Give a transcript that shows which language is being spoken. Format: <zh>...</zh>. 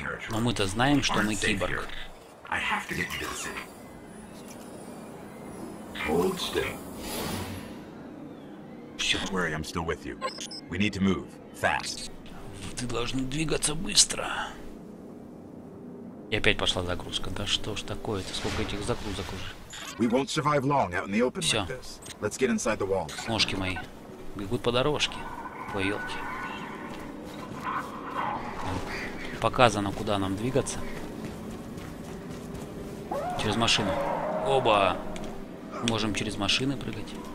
<ru>Но мы-то знаем, что мы киборг.</ru> <en>I have to get you to the city. Hold still. Don't worry, I'm still with you. We need to move fast.</en> <ru>Ты должен двигаться быстро. И опять пошла загрузка. Да что ж такое? Это сколько этих загрузок уже?</ru> <en>We won't survive long out in the open like this. Let's get inside the walls.</en> <ru>Ножки мои бегут по дорожке, по елке. показано, куда нам двигаться. Через машину. Оба! Можем через машины прыгать.</ru>